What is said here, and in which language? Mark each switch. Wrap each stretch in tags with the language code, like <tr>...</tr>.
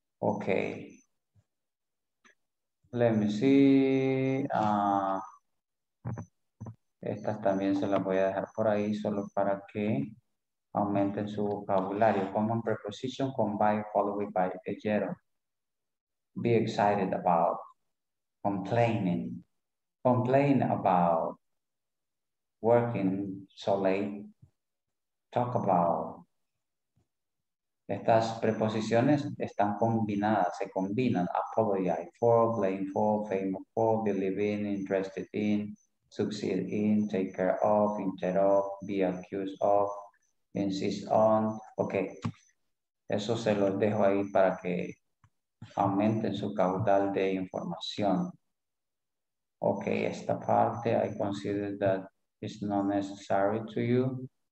<en>Okay. Let me see.</en> <es>Estas también se las voy a dejar por ahí solo para que aumenten su vocabulario.</es> <en>Common preposition, con by, followed by a gerund. be excited about, complain about working so late, talk about.</en> <es>Estas preposiciones están combinadas, se combinan,</es> <en>apologize for, blame for, famous for, believe in, interested in, succeed in, take care of, interrupt, be accused of, insist on.</en> <es>Ok, eso se los dejo ahí para que aumenten su caudal de información. Ok, esta parte,</es> <en>I consider that it's not necessary to you.</en>